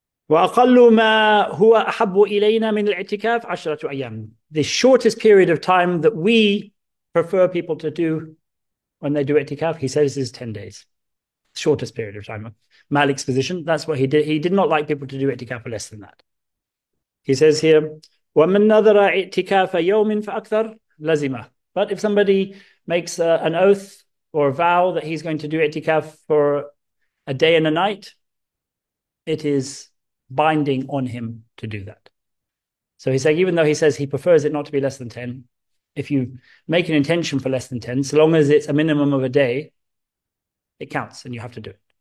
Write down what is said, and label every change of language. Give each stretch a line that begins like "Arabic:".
Arabic: وَأَقَلُّ مَا هُوَ أَحَبُّ إِلَيْنَا مِنَ الْاِعْتِكَافِ 10 أَيَّامٍ.
English: The shortest period of time that we prefer people to do when they do i'tikaf, he says, is 10 days. Shortest period of time. Malik's position, that's what he did. He did not like people to do i'tikaf for less than that. He says here,
Arabic: وَمَن نَذَرَ اِعْتِكَافَ يَوْمٍ فَأَكْثَرَ لَزِمَهُ.
English: But if somebody makes an oath or a vow that he's going to do i'tikaf for a day and a night, it is binding on him to do that. So he's saying, even though he says he prefers it not to be less than 10, if you make an intention for less than 10, so long as it's a minimum of a day, it counts and you have to do it.